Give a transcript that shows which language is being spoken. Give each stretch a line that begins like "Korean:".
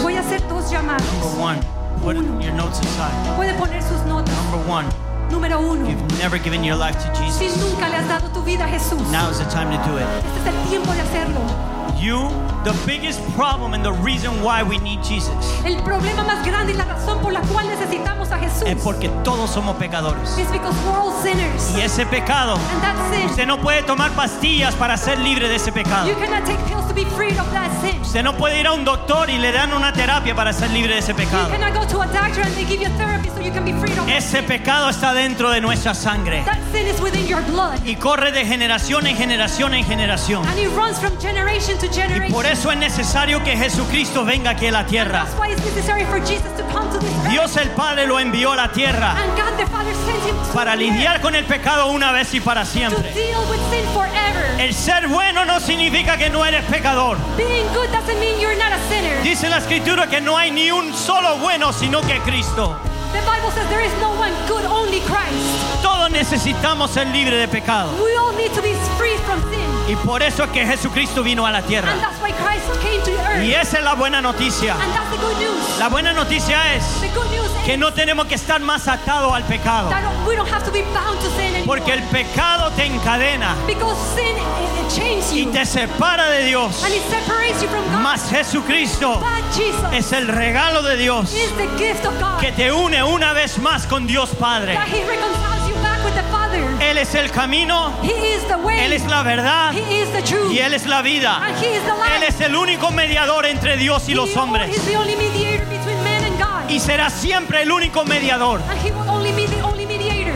Spanish: Voy a hacer dos llamadas.
English: Number one, put
Spanish: uno.
English: Your notes aside.
Spanish: Puede poner sus notas.
English: Number one.
Spanish: Número uno.
English: You've never given your life to Jesus.
Spanish: Si nunca le has dado tu vida a Jesús.
English: Now is the time to do it.
Spanish: Este es el tiempo de hacerlo.
English: You, the biggest problem and the reason why we need Jesus.
Spanish: El problema más grande y la razón por la cual necesitamos a Jesús. Es porque todos somos pecadores.
English: It's because we're all sinners.
Spanish: Y ese pecado.
English: And that sin.
Spanish: Usted no puede tomar pastillas para ser libre de ese pecado.
English: You cannot take pills to be free of that sin.
Spanish: Usted no puede ir a un doctor y le dan una terapia para ser libre de ese pecado.
English: You cannot go to a doctor and they give you therapy so you can be free of that.
Spanish: Ese pecado está dentro de nuestra sangre.
English: That sin is within your blood.
Spanish: Y corre de generación en generación en generación.
English: And it runs from generation to generation.
Spanish: Y por eso es necesario que Jesucristo venga aquí a la tierra.
English: And that's why it's necessary for Jesus to come to this earth.
Spanish: Dios el Padre lo envió a la tierra.
English: And God the Father sent him to
Spanish: para lidiar con el pecado una vez y para siempre.
English: To deal with sin forever.
Spanish: El ser bueno no significa que no eres pecador.
English: Being good doesn't mean you're not a sinner.
Spanish: Dice la Escritura que no hay ni un solo bueno sino que Cristo.
English: The Bible says there is no one good, only Christ.
Spanish: Todos necesitamos ser libres de pecado.
English: We all need to be free from sin.
Spanish: Y por eso es que Jesucristo vino a la tierra.
English: And that's why Christ came to earth.
Spanish: Y esa es la buena noticia.
English: And that's the good news.
Spanish: La buena noticia es que no tenemos que estar más atados al pecado.
English: We don't have to be bound to sin anymore.
Spanish: Porque el pecado te encadena.
English: Because sin chains you.
Spanish: Y te separa de Dios.
English: And it separates you from God.
Spanish: Mas Jesucristo es el regalo de Dios.
English: Is the gift of God.
Spanish: Que te une una vez más con Dios Padre.
English: That he reconciles you back with the Father.
Spanish: Él es el camino.
English: He is the way.
Spanish: Él es la verdad.
English: He is the truth.
Spanish: Y Él es la vida.
English: And he is the life.
Spanish: Él es el único mediador entre Dios y los hombres.
English: He is the only mediator between men and God.
Spanish: Y será siempre el único mediador.
English: And he will only be the only mediator.